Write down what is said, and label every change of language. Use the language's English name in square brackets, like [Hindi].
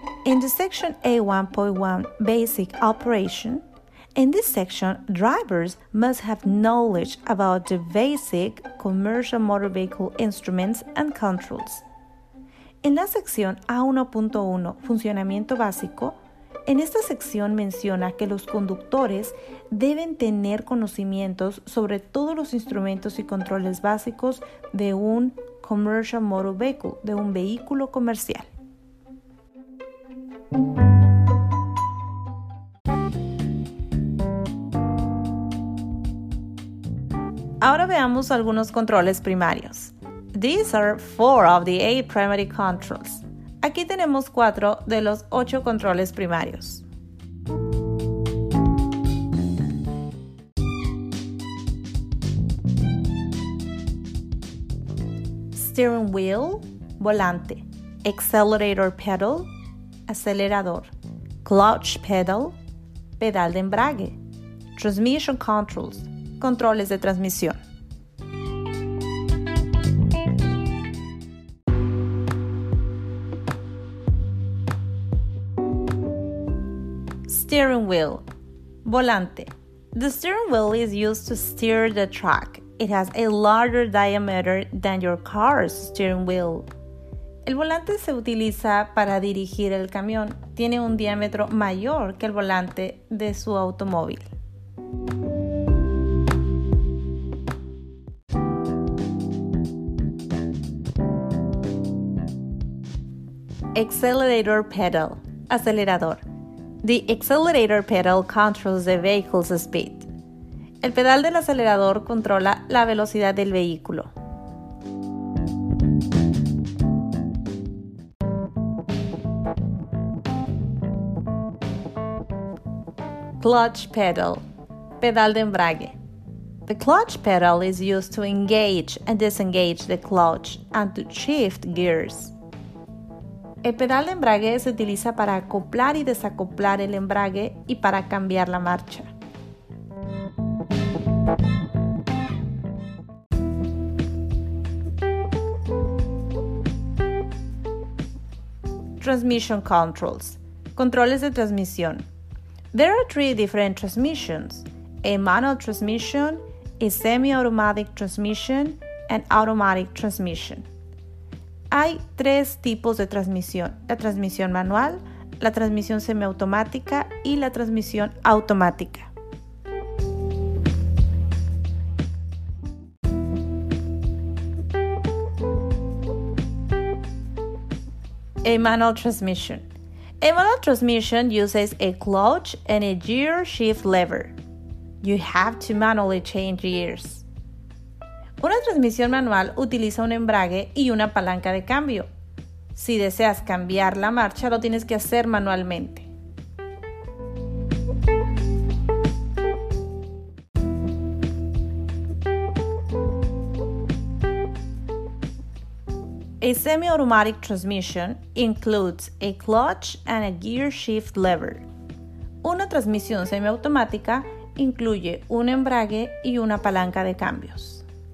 [English] In the section A1.1 Basic Operation, in this section, drivers must have knowledge about the basic commercial motor vehicle instruments and controls. [Spanish] En la sección A1.1 Funcionamiento Básico, en esta sección menciona que los conductores deben tener conocimientos sobre todos los instrumentos y controles básicos de un [English] commercial motor vehicle, [Spanish] de un vehículo comercial. Ahora veamos algunos controles primarios. [English] These are four of the eight primary controls. [Spanish] Aquí tenemos cuatro de los ocho controles primarios. [English] Steering wheel, volante, accelerator pedal, acelerador, clutch pedal, [Spanish] pedal de embrague, [English] transmission controls, [Spanish] controles de transmisión. [English] Steering wheel, volante. The steering wheel is used to steer the truck. It has a larger diameter than your car's steering wheel. [Spanish] El volante se utiliza para dirigir el camión. Tiene un diámetro mayor que el volante de su automóvil. [English] Accelerator pedal, [Spanish] acelerador. [English] The accelerator pedal controls the vehicle's speed. [Spanish] El pedal del acelerador controla la velocidad del vehículo. [English] Clutch pedal, [Spanish] pedal de embrague. [English] The clutch pedal is used to engage and disengage the clutch and to shift gears. [Spanish] El pedal de embrague se utiliza para acoplar y desacoplar el embrague y para cambiar la marcha. [English] Transmission controls. [Spanish] Controles de transmisión. [English] There are three different transmissions: a manual transmission, a semi-automatic transmission, and automatic transmission. [Spanish] Hay tres tipos de transmisión: la transmisión manual, la transmisión semiautomática y la transmisión automática. [English] A manual transmission. A manual transmission uses a clutch and a gear shift lever. You have to manually change gears. [Spanish] Una transmisión manual utiliza un embrague y una palanca de cambio. Si deseas cambiar la marcha, lo tienes que hacer manualmente. [English] A semi-automatic transmission includes a clutch and a gear shift lever. [Spanish] Una transmisión semiautomática incluye un embrague y una palanca de cambios.